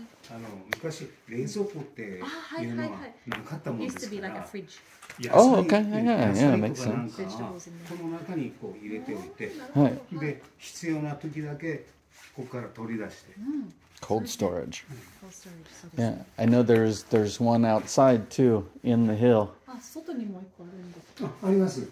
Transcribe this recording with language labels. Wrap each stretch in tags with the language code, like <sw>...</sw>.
<ja>あの昔冷蔵庫っていうのはなかったもんですから。</ja> <en>Used to be like a fridge. Oh, okay. Yeah, makes sense.</en> <ja>その中にこう入れておいて、で必要な時だけここから取り出して。</ja> <en>Cold storage. Yeah, I know there's one outside too in the hill.</en> <ja>あ、外にも一個あるんです</ja>